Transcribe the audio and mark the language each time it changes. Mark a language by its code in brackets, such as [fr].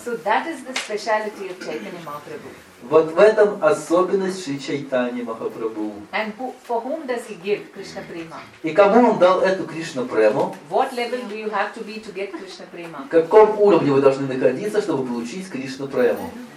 [en] So that is the speciality of Chaitanya Mahaprabhu. [ru] Вот в этом особенность Шри Чайтаньи Махапрабху. [en] And for whom does he give Кришна-према? [ru] И кому он дал эту Кришна-прему? [en] What level do you have to be to get Кришна-према? [ru] В каком уровне вы должны находиться, чтобы получить Кришна-прему?